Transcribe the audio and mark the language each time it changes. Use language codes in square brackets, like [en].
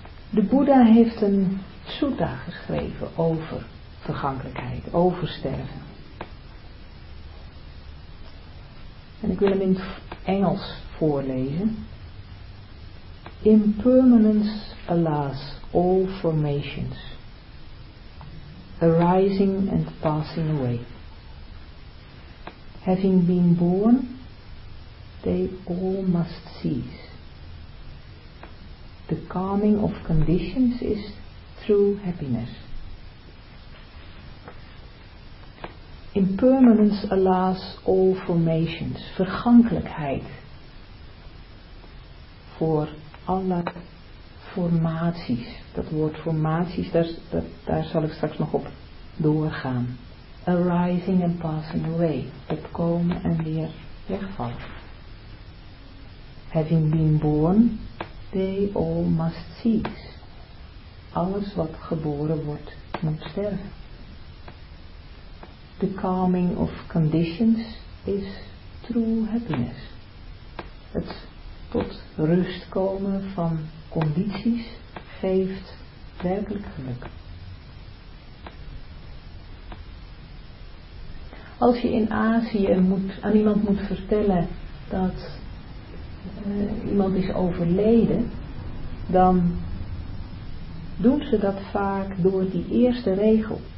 [nl] De Boeddha heeft een sutta geschreven over vergankelijkheid, over sterven. En ik wil hem in het Engels voorlezen. [en] Impermanence, alas, all formations, arising and passing away. Having been born, they all must cease. The calming of conditions is through happiness. Impermanence, alas, all formations. [nl] Vergankelijkheid voor alle formaties. Dat woord formaties, daar zal ik straks nog op doorgaan. [en] Arising and passing away. [nl] Opkomen en weer wegvallen. [en] Having been born, they all must cease. [nl] Alles wat geboren wordt, moet sterven. [en] The calming of conditions is true happiness. [nl] Het tot rust komen van condities geeft werkelijk geluk. Als je in Azië aan iemand moet vertellen dat iemand is overleden, dan doen ze dat vaak door die eerste regel.